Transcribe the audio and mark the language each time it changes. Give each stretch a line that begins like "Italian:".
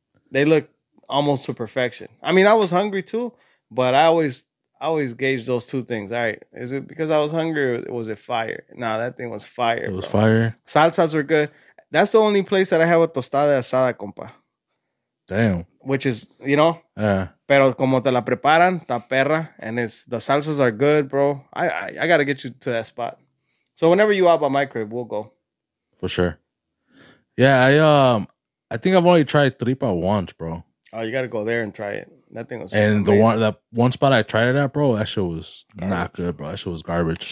English: They look almost to perfection. I mean, I was hungry, too. But I always gauge those two things. All right. Is it because I was hungry or was it fire? Nah, that thing was fire. It was bro. Fire. Salsas were good. That's the only place that I have a tostada asada, compa. Damn. Which is, you know? Yeah.
Spanish: Pero como te la preparan, ta perra.
English: And it's the salsas are good, bro. I got to get you to that spot. So whenever you out by my crib, we'll go. For sure. Yeah, I think I've only tried tripa once, bro. Oh, you got to go there and try it. That thing was The one spot I tried it at, bro, that shit was not good, bro. That shit was garbage.